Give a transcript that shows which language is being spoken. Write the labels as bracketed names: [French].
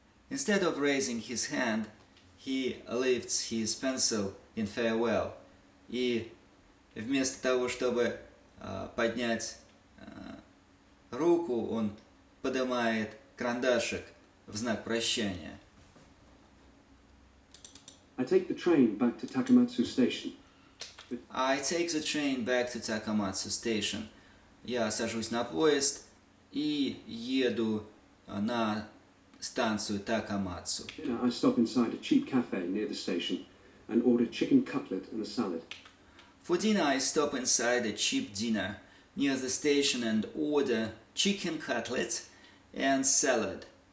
[English] Instead of raising his hand, he lifts his pencil in farewell. [Russian] И вместо того, чтобы поднять руку, он поднимает карандашик в знак прощания. [English] I take the train back to Takamatsu Station. I take the train back to Takamatsu Station. [Russian] Я сажусь на поезд и еду на станцию Такамацу. [English] I stop inside a cheap cafe near the station and order chicken cutlet and a salad. For dinner, I stop inside a cheap dinner near the station and order chicken cutlet and salad.